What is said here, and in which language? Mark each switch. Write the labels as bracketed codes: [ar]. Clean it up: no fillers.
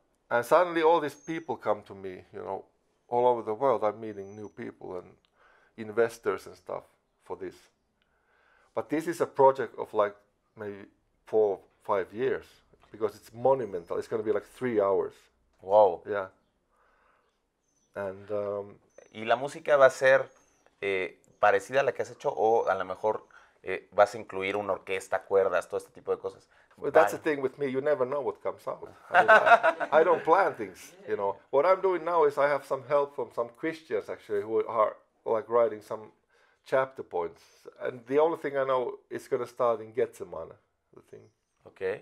[en] And suddenly all these people come to me, you know, all over the world. I'm meeting new people and investors and stuff for this. But this is a project of like maybe 4 or 5 years because it's monumental. It's going to be like 3 hours. Wow. Yeah. And [es] ¿Y la música va a ser parecida a la que has hecho o a lo mejor vas a incluir una orquesta, cuerdas, todo este tipo de cosas? [en] Well, that's the thing with me. You never know what comes out. I don't plan things, you know. What I'm doing now is I have some help from some Christians, actually, who are like writing some chapter points, and the only thing I know is going to start in Getsemane, the thing, okay,